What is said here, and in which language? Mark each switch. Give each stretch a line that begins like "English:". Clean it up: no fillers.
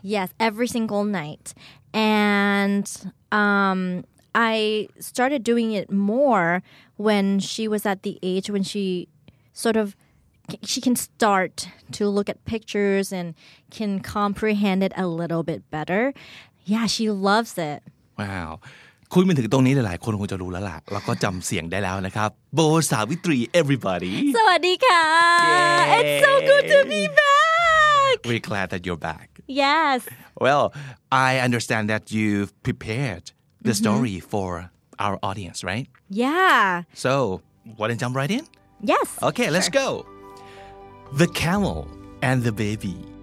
English: Yes, every single night. And... I started doing it more when she was at the age when she sort of, she can start to look at pictures and can comprehend it a little bit better. Yeah, she loves it. Wow.
Thai: คุยมาถึงตรงนี้หลายคนคงจะรู้แล้วล่ะแล้วก็จำเสียงได้แล้วนะครับโบสาวิตรี everybody. สวัสดีค่ะ
English: It's so good to be back. We're glad that you're back. Yes. Well, I understand that you've preparedthe story for our audience, right? Yeah. So, want to jump right in? Yes. Okay, sure. Let's go. The Camel and the Baby.